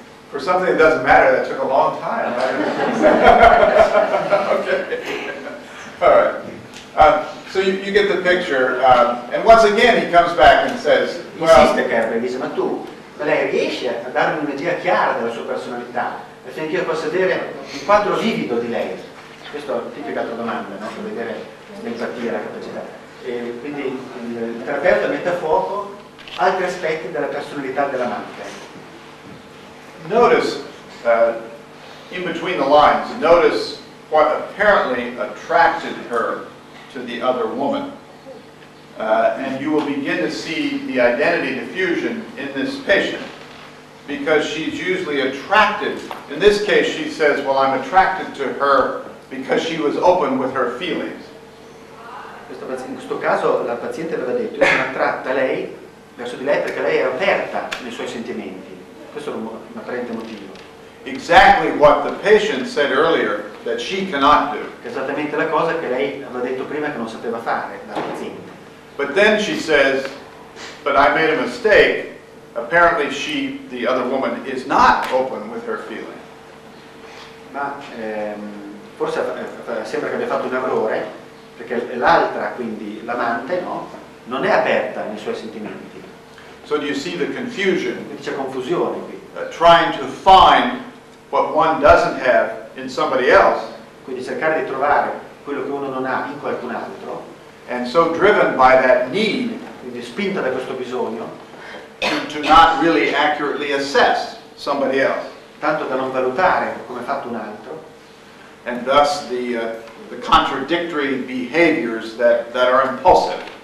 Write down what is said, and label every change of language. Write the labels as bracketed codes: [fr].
[en] For something that doesn't matter, that took a long time. Okay. All right. So you get the picture. And once again, he comes back and says, well... [it] Insiste, Kernberg, dice, ma tu, lei riesci a darmi un'idea chiara della sua personalità? Affinché io possa vedere il quadro vivido di lei. Questa è la tipica domanda, no? Per vedere l'empatia e la capacità. E quindi il terapeuta mette a fuoco altri aspetti della personalità dell'amante. [en] Notice, in between the lines, notice what apparently attracted her to the other woman. And you will begin to see the identity diffusion in this patient. Because she's usually attracted. In this case, she says, well, I'm attracted to her because she was open with her feelings. [it] In questo caso, la paziente aveva detto, io sono attratta lei, verso di lei, perché lei è aperta nei suoi sentimenti. Questo è un apparente motivo. [en] Exactly what the patient said earlier, that she cannot do. [it] Esattamente la cosa che lei aveva detto prima che non sapeva fare, la paziente. [en] But then she says, but I made a mistake. Apparently she, the other woman, is not open with her feeling. [it] Ma forse sembra che abbia fatto un errore, perché l'altra, quindi l'amante, no, non è aperta nei suoi sentimenti. [en] So do you see the confusion? [it] Quindi c'è confusione qui. [en] Trying to find what one doesn't have in somebody else. [it] Quindi cercare di trovare quello che uno non ha in qualcun altro. [en] And so driven by that need. [it] Quindi spinta da questo bisogno. [en] To not really accurately assess somebody else. [it] Tanto da non valutare come ha fatto un altro. [en] And thus the contradictory behaviors that are impulsive.